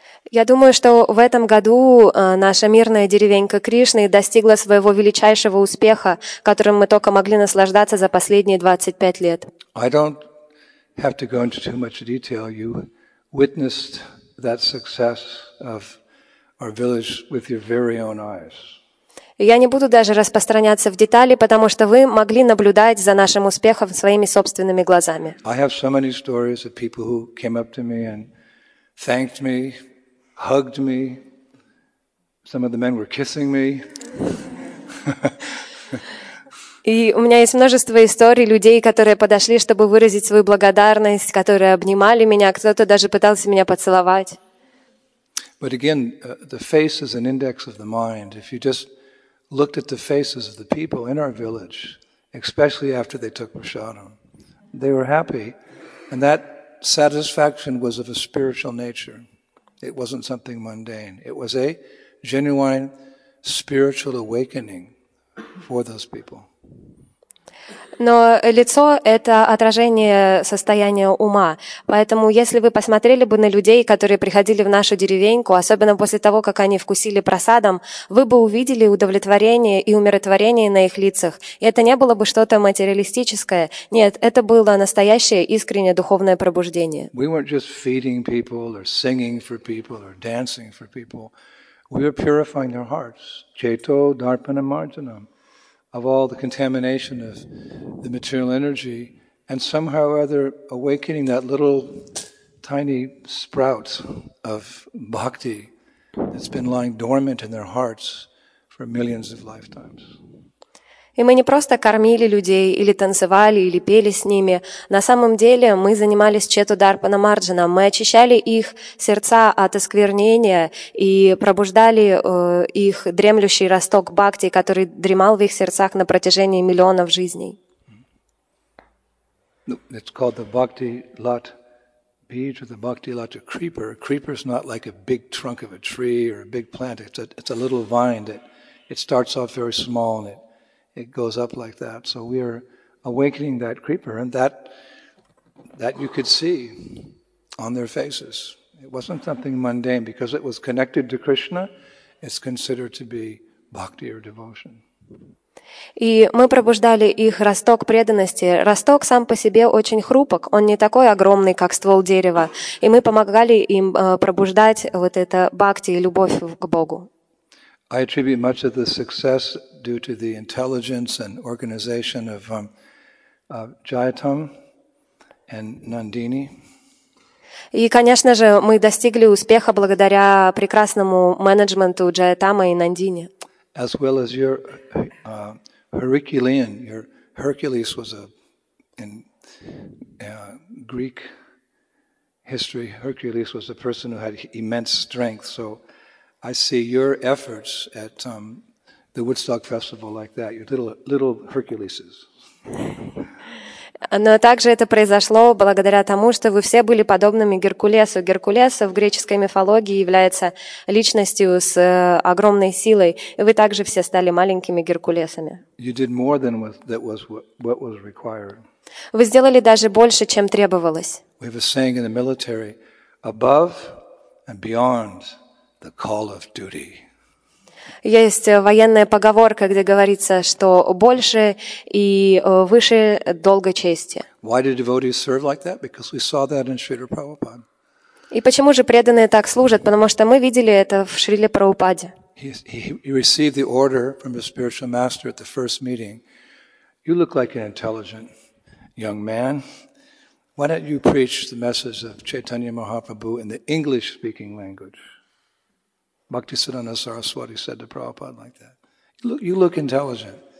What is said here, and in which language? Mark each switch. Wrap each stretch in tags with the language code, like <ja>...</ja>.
<ru>Я думаю, что в этом году наша мирная деревенька Кришны достигла своего величайшего успеха, которым мы только могли наслаждаться за последние 25 лет.</ru> <en>I don't have to go into too much detail. You witnessed that success of our village with your very own eyes.</en> <ru>Я не буду даже распространяться в детали, потому что вы могли наблюдать за нашим успехом своими собственными глазами.</ru> <en>I have so many stories of people who came up to me and thanked me. Hugged me. Some of the men were kissing me.</en> <ru>И у меня есть множество историй людей, которые подошли, чтобы выразить свою благодарность, которые обнимали меня, кто-то даже пытался меня поцеловать.</ru> <en>But again, the face is an index of the mind. If you just looked at the faces of the people in our village, especially after they took prasadam, they were happy, and that satisfaction was of a spiritual nature. It wasn't something mundane. It was a genuine spiritual awakening for those people.</en> <ru>Но лицо — это отражение состояния ума. Поэтому если вы посмотрели бы на людей, которые приходили в нашу деревеньку, особенно после того, как они вкусили прасадам, вы бы увидели удовлетворение и умиротворение на их лицах. И это не было бы что-то материалистическое. Нет, это было настоящее искреннее духовное пробуждение.</ru> <en>We weren't just feeding people or singing for people or dancing for people. We were purifying their hearts. Cheto, Darpanam, Marjanam. Of all the contamination of the material energy, and somehow or other awakening that little tiny sprout of bhakti that's been lying dormant in their hearts for millions of lifetimes.</en> <ru>И мы не просто кормили людей, или танцевали, или пели с ними. На самом деле мы занимались чету дарпана марджана. Мы очищали их сердца от осквернения и пробуждали их дремлющий росток бхакти, который дремал в их сердцах на протяжении миллионов жизней.</ru> <en>It's called the bhakti lat beach or the bhakti lat creeper. Creeper is not like a big trunk of a tree or a big plant. It's a little vine that it starts off very small and it goes up like that. So we are awakening that creeper, and that you could see on their faces. It wasn't something mundane. Because it was connected to Krishna, it's considered to be bhakti or devotion.</en> <ru>И мы пробуждали их росток преданности. Росток сам по себе очень хрупок, он не такой огромный, как ствол дерева. И мы помогали им пробуждать вот это бхакти и любовь к Богу.</ru> <en>I attribute much of the success due to the intelligence and organization of Jayatam and Nandini.</en> <ru>И, конечно же, мы достигли успеха благодаря прекрасному менеджменту Джаятама и Нандини.</ru> <en>As well as your Herculean, your Hercules was a in Greek history, Hercules was a person who had immense strength. So I see your efforts at the Woodstock Festival like that, your little Hercules's.</en> <ru>Но также это произошло благодаря тому, что вы все были подобными Геркулесу. Геркулес в греческой мифологии является личностью с огромной силой. И вы также все стали маленькими Геркулесами.</ru> <en>You did more than what was required.</en> <ru>Вы сделали даже больше, чем требовалось.</ru> <en>We have a saying in the military, above and beyond the call of duty.</en> <ru>Есть военная поговорка, где говорится, что больше и выше долга чести.</ru> <en>Why do devotees serve like that? Because we saw that in Srila Prabhupada.</en> <ru>И почему же преданные так служат? Потому что мы видели это в Шриле Прабхупаде.</ru> <en>He received the order from his spiritual master at the first meeting. You look like an intelligent young man. Why don't you preach the message of Chaitanya Mahaprabhu in the English-speaking language? Bhaktisiddhanta Saraswati said to Prabhupada like that. You look intelligent.</en>